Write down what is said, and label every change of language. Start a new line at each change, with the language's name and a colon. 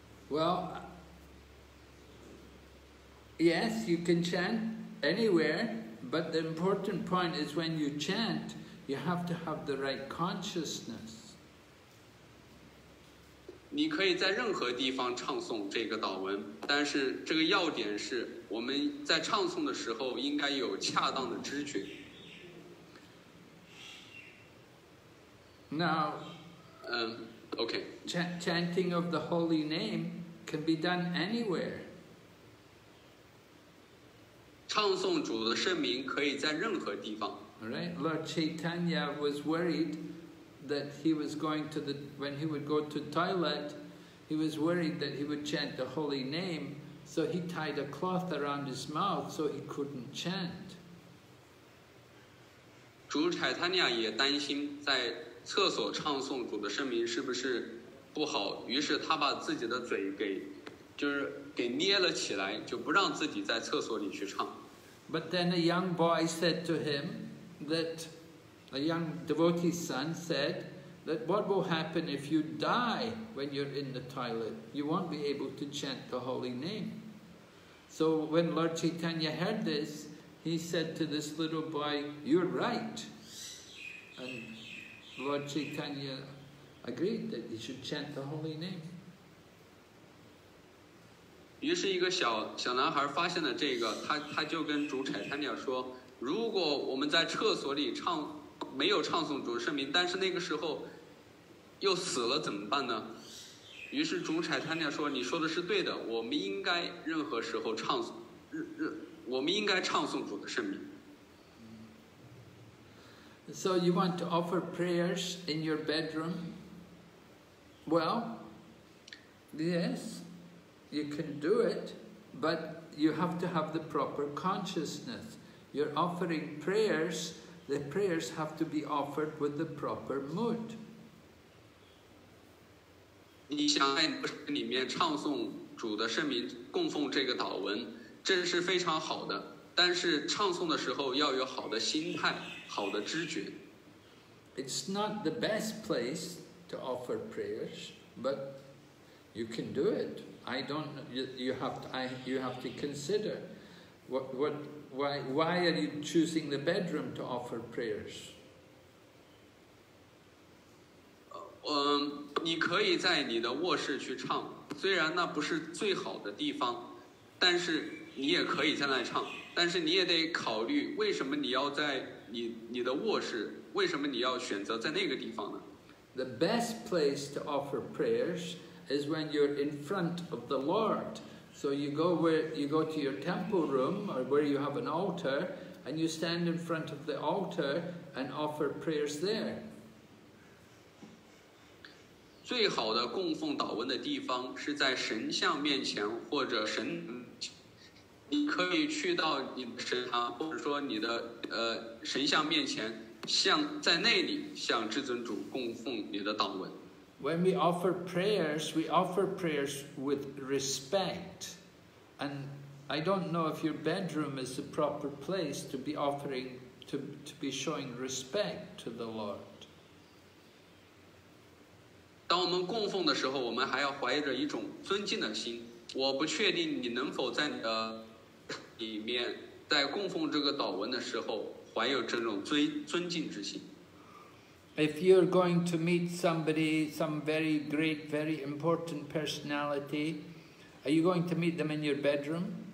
English: Well, yes, you can chant anywhere, but the important point is when you chant, you have to have the right consciousness.
Chinese: 你可以在任何地方唱诵这个祷文，但是这个要点是我们在唱诵的时候应该有恰当的知觉。
English: Now, okay. Chanting of the holy name can be done anywhere.
Chinese: 唱诵主的圣名可以在任何地方。
English: All right, Lord Chaitanya was worried. That he was going to the, when he would go to toilet, he was worried that he would chant the holy name, so he tied a cloth around his mouth so he couldn't chant.
Chinese: 主柴塔尼亚也担心在厕所唱诵主的圣名是不是不好，于是他把自己的嘴给，就是给捏了起来，就不让自己在厕所里去唱。
English: But then a young boy said to him that. A young devotee's son said that what will happen if you die when you're in the toilet? You won't be able to chant the holy name. So when Lord Chaitanya heard this, he said to this little boy, you're right. And Lord Chaitanya agreed that he should chant the holy name.
Chinese: 于是一个 小男孩发现了这个 他就跟主柴塔尼亚说如果我们在厕所里唱没有唱诵主圣名，但是那个时候又死了怎么办呢？于是主柴塔尼亚说：“你说的是对的，我们应该任何时候唱诵，我们应该唱诵主的圣名。”
English: So you want to offer prayers in your bedroom? Well, yes, you can do it, but you have to have the proper consciousness. You're offering prayers. The prayers have to be offered with the proper mood.
Chinese: 你想在里面唱诵主的圣名，供奉这个祷文，这是非常好的。但是唱诵的时候要有好的心态，好的知觉。
English: It's not the best place to offer prayers, but you can do it. I don't. You have to consider what. Why are you choosing the bedroom to offer prayers?
Chinese: 你可以在你的卧室去唱，虽然那不是最好的地方，但是你也可以在那唱。但是你也得考虑，为什么你要在你的卧室？为什么你要选择在那个地方呢？
English: The best place to offer prayers is when you're in front of the Lord. So you go where you go to your temple room or where you have an altar and you stand in front of the altar and offer prayers there.
Chinese: 最好的供奉祷文的地方是在神像面前或者神，你可以去到你的神堂或者说你的神像面前，向在那里向至尊主供奉你的祷文。
English: When we offer prayers, we offer prayers with respect. And I don't know if your bedroom is the proper place to be offering, to be showing respect to the Lord.
Chinese: 当我们供奉的时候，我们还要怀着一种尊敬的心。我不确定你能否在你的里面，在供奉这个祷文的时候，怀有这种尊敬之心。
English: If you're going to meet somebody, some very great, very important personality, are you going to meet them in your bedroom?